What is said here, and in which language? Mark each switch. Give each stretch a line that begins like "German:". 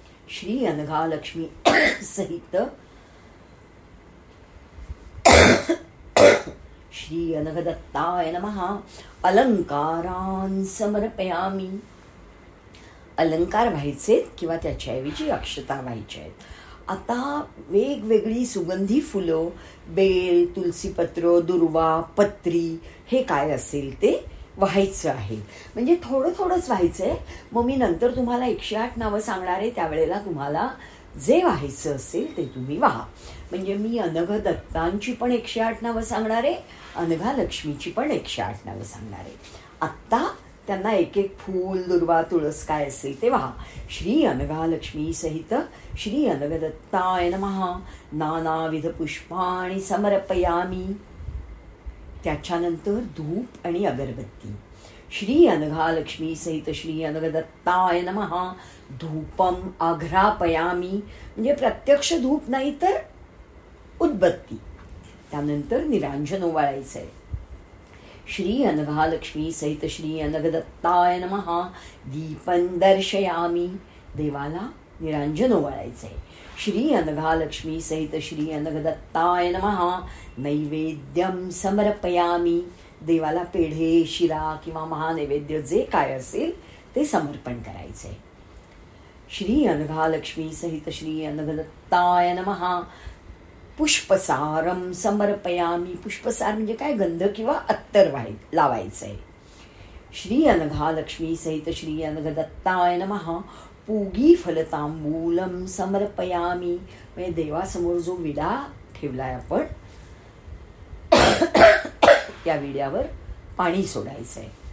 Sanskrit: श्री अनघा लक्ष्मी सहित श्री अनघदत्ताय नमः अलंकारान समर्पयामी।
Marathi: अलंकार व्हायचे किंवा त्याच्याऐवजी अक्षता व्हायचे। आता वेगवेगळी सुगंधी फुलं, बेल तुलसीपत्र दुर्वा पत्री हे काय असेल ते व्हायचं आहे, म्हणजे थोडं थोडंच व्हायचं आहे। मग मी नंतर तुम्हाला 108 नावं सांगणार आहे, त्यावेळेला तुम्हाला जे व्हायचं असेल ते तुम्ही व्हा। म्हणजे मी अनघदत्तांची पण 108 नावं सांगणार आहे, अनघा लक्ष्मीची पण 108 नावं सांगणार आहे। आत्ता त्यांना एक एक फूल दुर्वा तुळस काय असेल ते व्हा।
Sanskrit: श्री अनघा लक्ष्मी सहित श्री अनघदत्ताय नमः नानाविध पुष्पाणि समर्पयामी।
Marathi: त्याच्यानंतर धूप आणि अगरबत्ती,
Sanskrit: श्री अनघा लक्ष्मी सहित श्री अनघदत्ताय नमः धूपम अघ्रापयामी,
Marathi: म्हणजे प्रत्यक्ष धूप नाही तर उदबत्ती। त्यानंतर निरांजन ओवाळायचं आहे,
Sanskrit: श्री अनघा लक्ष्मी सहित श्री अनघदत्ताय नमः दीपन दर्शयामी।
Marathi: देवाला निरांजन ओवाळायचंय,
Sanskrit: श्री अनघा लक्ष्मी सहित श्री अनघदत्ताय नमः नैवेद्यम समर्पयामी।
Marathi: देवाला पेढे शिरा किंवा महानैवेद्य जे काय असेल ते समर्पण करायचंय।
Sanskrit: श्री अनघा लक्ष्मी सहित श्री अनघदत्ताय नमः पुष्पसारम समर्पयामी।
Marathi: पुष्पसार म्हणजे काय, गंध किंवा अत्तर व्हाय लावायचंय।
Sanskrit: श्री अनघा लक्ष्मी सहित श्री अनघदत्ताय नमः पूगी फलतांबूलम समर्पयामी,
Marathi: म्हणजे देवासमोर जो विडा ठेवलाय आपण त्या विड्यावर पाणी सोडायचंय।